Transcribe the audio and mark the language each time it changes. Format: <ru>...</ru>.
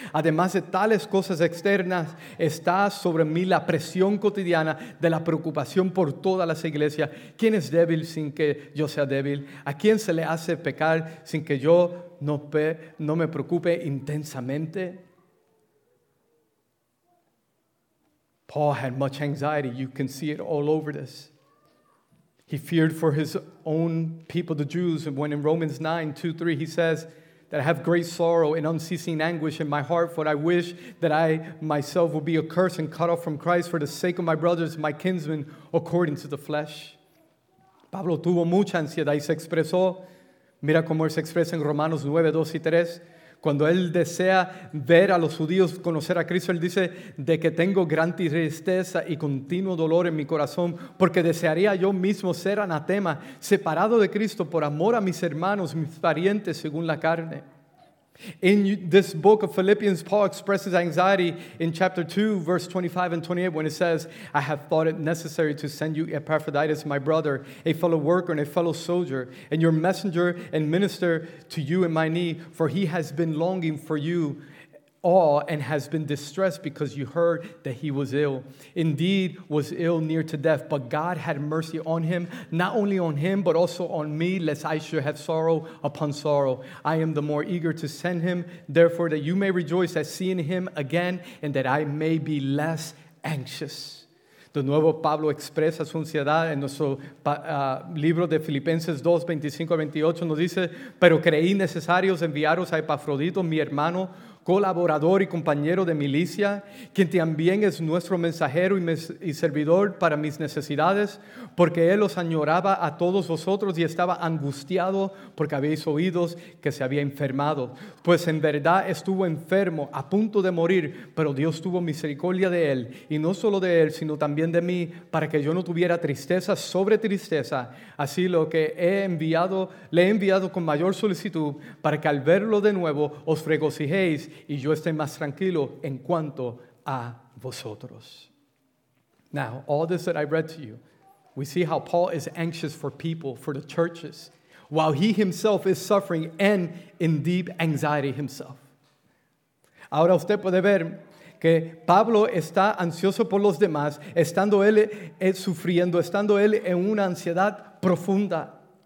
<es>Además de tales cosas externas, está sobre mí la presión cotidiana de la preocupación por todas las iglesias. ¿Quién es débil sin que yo sea débil? ¿A quién se le hace pecar sin que yo no me preocupe intensamente?</es> <en>Paul had much anxiety. You can see it all over this. He feared for his own people, the Jews. And when in Romans 9, 2, 3, he says that I have great sorrow and unceasing anguish in my heart, for I wish that I myself would be accursed and cut off from Christ for the sake of my brothers and my kinsmen according to the flesh.</en> <es>Pablo tuvo mucha ansiedad y se expresó. Mira cómo él se expresa en Romanos 9, 2 y 3. Cuando él desea ver a los judíos conocer a Cristo, él dice, de que tengo gran tristeza y continuo dolor en mi corazón, porque desearía yo mismo ser anatema, separado de Cristo por amor a mis hermanos, mis parientes, según la carne.</es> <en>In this book of Philippians, Paul expresses anxiety in chapter 2, verse 25 and 28, when it says, I have thought it necessary to send you Epaphroditus, my brother, a fellow worker and a fellow soldier, and your messenger and minister to you in my need, for he has been longing for you awe and has been distressed because you heard that he was ill. Indeed, was ill near to death, but God had mercy on him, not only on him, but also on me, lest I should have sorrow upon sorrow. I am the more eager to send him, therefore, that you may rejoice at seeing him again and that I may be less anxious.</en> <es>De nuevo, Pablo expresa su ansiedad en nuestro libro de Filipenses 2, 25 a 28. Nos dice, pero creí necesarios enviaros a Epafrodito, mi hermano, colaborador y compañero de milicia, quien también es nuestro mensajero y servidor para mis necesidades, porque él os añoraba a todos vosotros y estaba angustiado porque habéis oído que se había enfermado. Pues en verdad estuvo enfermo, a punto de morir, pero Dios tuvo misericordia de él, y no solo de él, sino también de mí, para que yo no tuviera tristeza sobre tristeza. Así lo que he enviado, le he enviado con mayor solicitud, para que al verlo de nuevo os regocijéis y yo esté más tranquilo en cuanto a vosotros.</es> <en>Now, all this that I read to you, we see how Paul is anxious for people, for the churches, while he himself is suffering and in deep anxiety himself.</en> <es>Ahora usted puede ver que Pablo está ansioso por los demás, estando él sufriendo, estando él en una ansiedad profunda.</es>